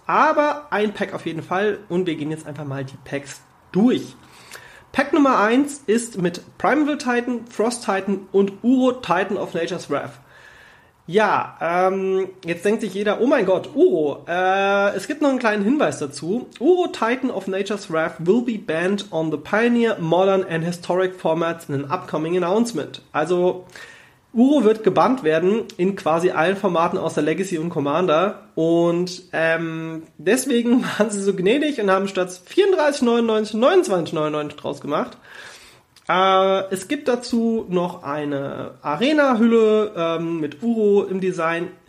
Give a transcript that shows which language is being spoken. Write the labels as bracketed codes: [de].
[de] Aber ein Pack auf jeden Fall und wir gehen jetzt einfach mal die Packs durch. Pack Nummer 1 ist mit Primeval Titan, Frost Titan und Uro Titan of Nature's Wrath. Ja, jetzt denkt sich jeder, oh mein Gott, Uro, es gibt noch einen kleinen Hinweis dazu. [en] Uro Titan of Nature's Wrath will be banned on the Pioneer, Modern and Historic Formats in an upcoming announcement. [de] Also, Uro wird gebannt werden in quasi allen Formaten außer Legacy und Commander. Und deswegen waren sie so gnädig und haben statt 34,99 29,99 draus gemacht. Es gibt dazu noch eine Arena-Hülle mit Uro im Design.